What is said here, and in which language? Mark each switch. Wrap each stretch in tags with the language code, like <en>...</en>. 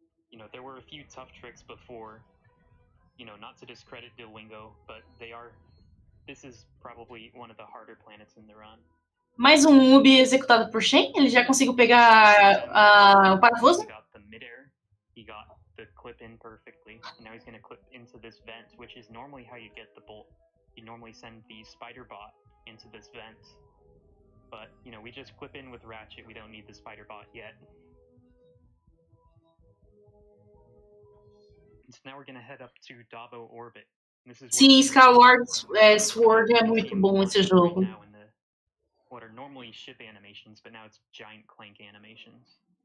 <en>You know, there were a few tough tricks before, you know, not to discredit Duolingo, but they are, this is probably one of the harder planets in the run.</en> <pt>Mais um UB executado por Shen, ele já conseguiu pegar o parafuso?</pt> <en>He got the clip in perfectly, and now he's going to clip into this vent, which is normally how you get the bolt. You normally send the spider bot into this vent, but you know, we just clip in with Ratchet, we don't need the spider bot yet. And so now we're gonna head up to Davo orbit.</en> <pt>Sim, Skyward Sword é muito bom esse jogo.</pt> <en>What are normally ship animations, but now it's giant clank animations.</en>